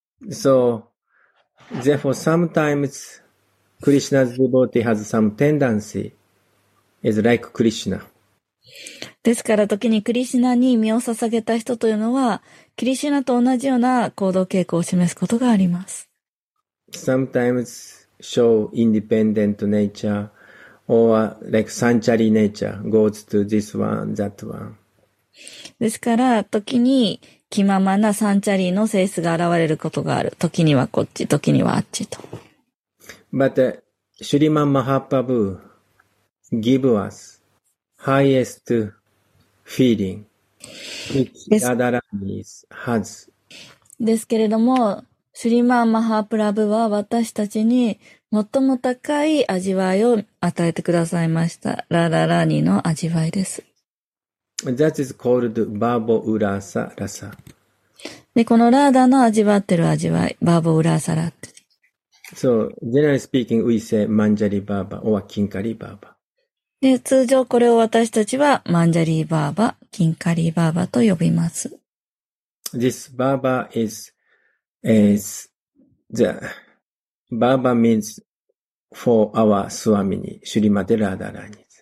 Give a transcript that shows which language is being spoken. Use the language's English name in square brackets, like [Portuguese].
[English] So, therefore sometimes,Krishna's devotee has some tendency, is like Krishna. [Japanese] ですから時にクリシナに身を捧げた人というのは、クリシナと同じような行動傾向を示すことがあります。 [English] Sometimes show independent nature, or like sanchari nature, goes to this one, that one. [Japanese] ですから時に気ままなサンチャリの性質が現れることがある。時にはこっち、時にはあっちと。 [English] But Shriman Mahaprabhu give us highest feeling which Radharani has. [Japanese] ですけれども、Shriman Mahaprabhu は私たちに最も高い味わいを与えてくださいました。 Radharaniの味わいです。 [English] That is called Bhava Urasa Rasa. [Japanese] で、このラーダの味わってる味わい、Bhava Urasa Rasa。 [English] So, generally speaking, we say Manjari Baba or Kinkari Baba. [Japanese] で、通常これを私たちはマンジャリーバーバ、キンカリーバーバと呼びます。 [English] This Baba is the Baba means for our Swamini, Shrimati Radharani.